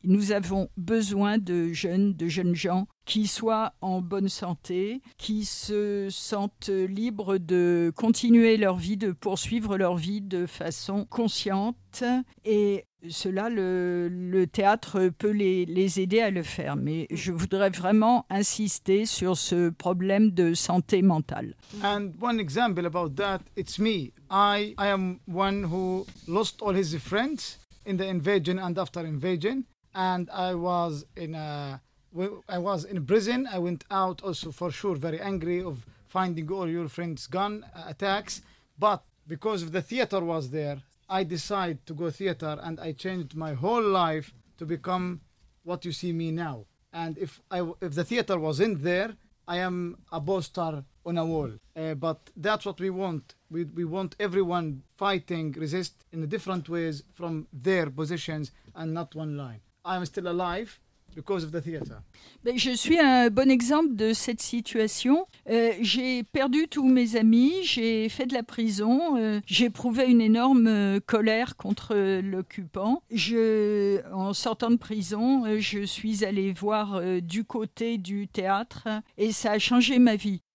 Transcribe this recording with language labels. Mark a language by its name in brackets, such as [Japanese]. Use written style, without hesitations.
[French] Nous avons besoin de jeunes gens qui soient en bonne santé, qui se sentent libres de continuer leur vie, de poursuivre leur vie de façon consciente. Et cela, le théâtre peut les aider à le faire. Mais je voudrais vraiment insister sur ce problème de santé mentale. [English] And one example about that, it's me. I am one who lost all his friends in the invasion and after invasion. And I was in prison. I went out also for sure very angry of finding all your friends gone, attacks. But because of the theater was there, I decided to go theater and I changed my whole life to become what you see me now. And if the theater wasn't there, I am a poster on a wall. But that's what we want. We want everyone fighting, resist in different ways from their positions and not one line. I am still alive. because of the theater. [French] Ben, je suis un bon exemple de cette situation. J'ai perdu tous mes amis, j'ai fait de la prison, j'éprouvais une énorme colère contre l'occupant. En sortant de prison, je suis allée voir du côté du théâtre et ça a changé ma vie.